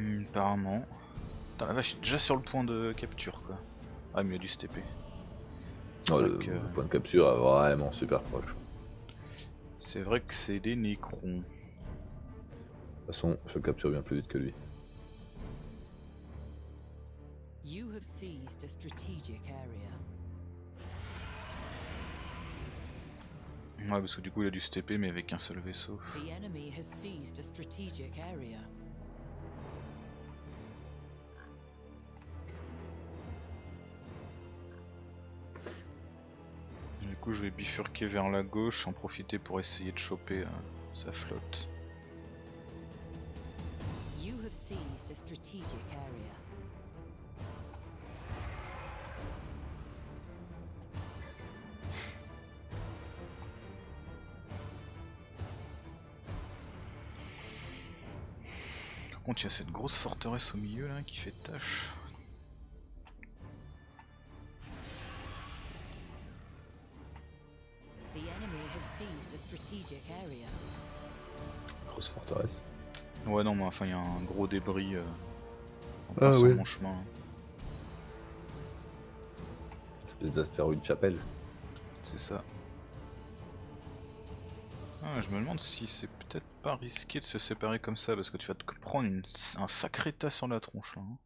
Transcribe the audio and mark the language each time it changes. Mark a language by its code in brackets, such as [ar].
[fr] Apparemment. Putain, la vache, déjà sur le point de capture quoi. Ah, mais il y a du step. Oh, le point de capture est vraiment super proche. C'est vrai que c'est des nécrons. De toute façon, je capture bien plus vite que lui. [en] You have seized a strategic area. [fr] Ouais, parce que du coup il a dû stepper mais avec un seul vaisseau. [en] The enemy has seized a strategic area. [fr] Du coup je vais bifurquer vers la gauche, en profiter pour essayer de choper sa flotte. [en] You have seized a strategic area. [fr] Par contre, il y a cette grosse forteresse au milieu là qui fait tâche. [en] The enemy has seized a strategic area. [fr] Grosse forteresse. Ouais, non, mais enfin, il y a un gros débris sur mon chemin. Espèce d'astéroïde chapelle. C'est ça. Ah, je me demande si c'est peut-être pas risqué de se séparer comme ça, parce que tu vas te prendre un sacré tas sur la tronche là.